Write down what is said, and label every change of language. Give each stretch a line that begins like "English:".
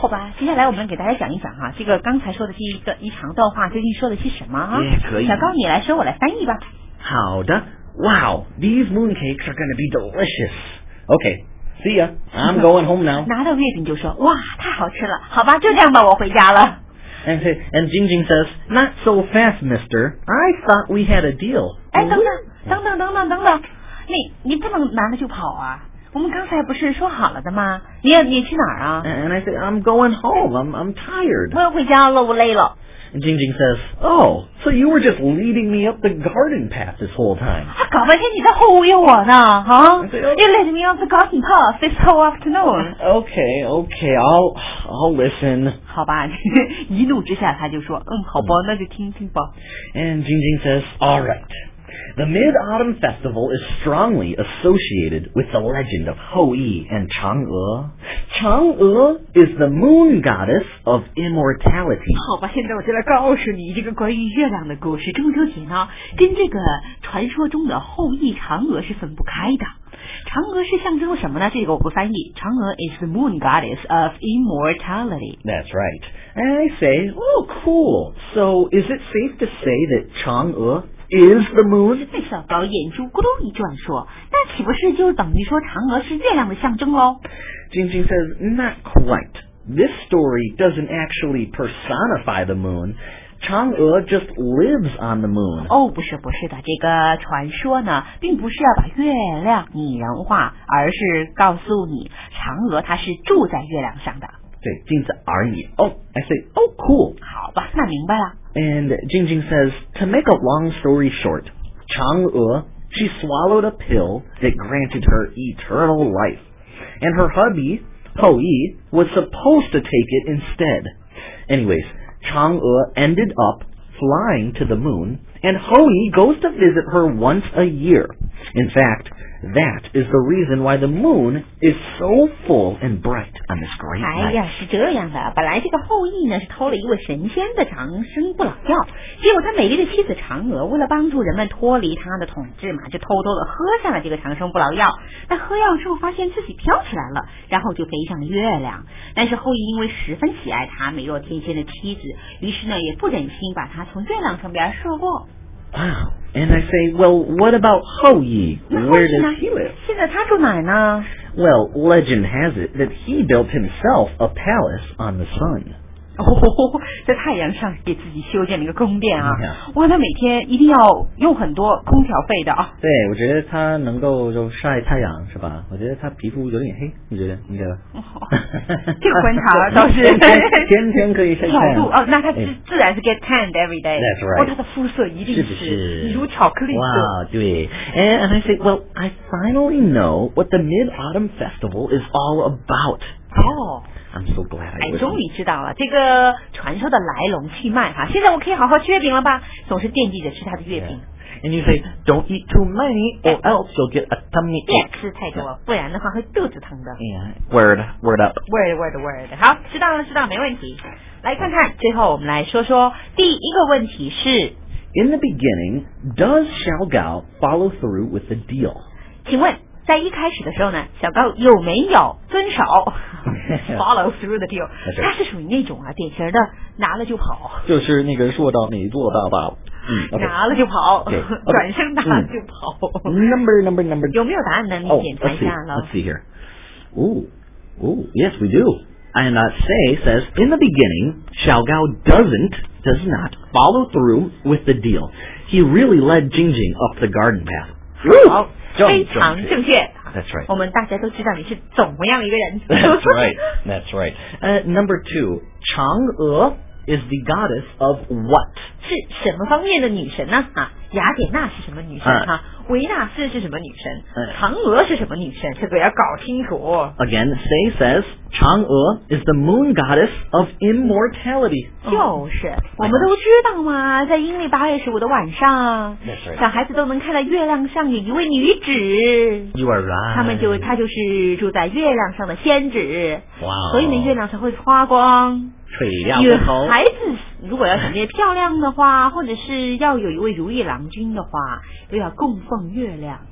Chinese: 好吧，接下来我们给大家讲一讲哈、啊，这个刚才说的一长段话究竟说了些什么啊？也、
English: yeah,
Chinese: 可以。小高，你来说，我来翻译吧。好的。
English: Wow, these mooncakes are going to be delicious. Okay. See ya. I'm going home now.
Chinese: 拿到月饼就说哇太好吃了好吧就这样吧我回家了
English: And Jing Jing says Not so fast mister I thought we had a deal
Chinese: 哎等等你不能拿了就跑啊我们刚才不是说好了的吗你去哪儿啊
English: And I say I'm going home I'm tired
Chinese: 我要回家了我累了
English: And Jing Jing says Oh so you were just leading me up the garden path this whole time
Chinese: 搞半天你在忽悠我呢、huh?
English: You led me off the garden path this whole afternoon Okay I'll listen
Chinese: 好吧一怒之下他就说嗯好吧那就听听吧
English: And Jing Jing says Alright The Mid-Autumn Festival is strongly associated with the legend of Houyi and Chang'e Chang'e is the moon goddess of immortality
Chinese: 好吧现在我就来告诉你这个关于月亮的故事中秋节呢跟这个传说中的后羿嫦娥是分不开的嫦娥是象征什么呢这个我不翻译嫦娥
English: is the moon goddess of immortality That's right And I say, oh cool So is it safe to say that 嫦娥 is the moon?
Chinese: 那小高眼珠咕噜一转说那岂不是就等于说嫦娥是月亮的象征咯
English: Jing Jing says, not quite This story doesn't actually personify the moon 嫦娥 just lives on the moon.
Chinese: 哦，不是不是的，这个传说呢，并不是要把月亮拟人化，而是告诉你，嫦娥她是住在月亮上的。对，仅此而已。
English: Oh, I say, oh, cool.
Chinese: 好吧，那明白了。
English: And Jingjing says, to make a long story short, 嫦娥, she swallowed a pill that granted her eternal life. And her hubby, Po Yi, was supposed to take it instead. Anyways, 嫦娥 ended up flying to the moon, and Po Yi goes to visit her once a year. In fact,That is the reason why the moon is so full and bright on this great night.
Chinese: 哎呀，是这样的，本来这个后羿呢是偷了一位神仙的长生不老药，结果他美丽的妻子嫦娥为了帮助人们脱离他的统治嘛，就偷偷的喝下了这个长生不老药。他喝药之后发现自己飘起来了，然后就飞向月亮。但是后羿因为十分喜爱他美若天仙的妻子，于是呢也不忍心把他从月亮上边射过。
English: Wow, and I say, well, what about Hou Yi? Where does he live?
Chinese: 现在他住哪呢?
English: Well, legend has it that he built himself a palace on the sun.
Chinese: Oh, 在太阳上给自己修建了一个宫殿啊。哇，他每天一定要用很多空调费的啊。对，我觉得他能够就晒太阳是吧？我觉得他皮肤有点黑，你觉得？你觉得？这个观察倒是天天可以晒太阳。角度哦，那他自然是
English: get tanned every day. That's right.
Chinese: 哦，他的肤色一定是如巧克力色。哇，对。
English: And I say, well, I finally know what the Mid-Autumn Festival is all about. Oh. I'm so glad I was.
Chinese: 哎，终于知道了这个传说的来龙去脉哈。现在我可以好好吃月饼了吧？总是惦记着吃他的月饼。
English: Yeah. And you say don't eat too many, or else you'll get a tummy ache.
Chinese: 吃太多，不然的话会肚子疼的。
English: Yeah. Word, word up. Word, word, word.
Chinese: 好，知道了，知道，没问题。来看看，最后我们来说说第一个问题是。
English: In the beginning, does Xiao Gao follow through with the deal?
Chinese: 请问。在一开始的时候呢，小高有没有遵守
English: follow through the deal？
Chinese: 他是属于那种啊，典型的拿了就跑，就是那个说到没做到吧？嗯， okay. 拿了就跑，
English: okay.
Chinese: 转身拿了就跑。
English: Number
Chinese: 有没有答案呢？你检查一下了。
English: Let's see here. Yes, we do. And Say says in the beginning, Xiao Gao does not follow through with the deal. He really led Jingjing up the garden path.
Chinese: Woo! 非常正确。
English: That's right.
Chinese: 我们大家都知道你是怎么样一个人。
English: That's right. That's right. Number two, 嫦娥 is the goddess of what?
Chinese: 是什么方面的女神呢？啊，雅典娜是什么女神？哈，维纳斯是什么女神？嫦娥是什么女神？这个要搞清楚。
English: Again, Say says, 嫦娥 is the moon goddess of immortality.
Chinese: 就是，我们都知道嘛，在阴历8月15的晚上，
English: right.
Chinese: 小孩子都能看到月亮上有一位女子。
English: You are right.
Chinese: 她就是住在月亮上的仙子。
English: Wow.
Chinese: 所以呢，月亮才会发光。水亮的头。孩子如果要想变漂亮的话，或者是要有一位如意郎君的话，都要供奉月亮。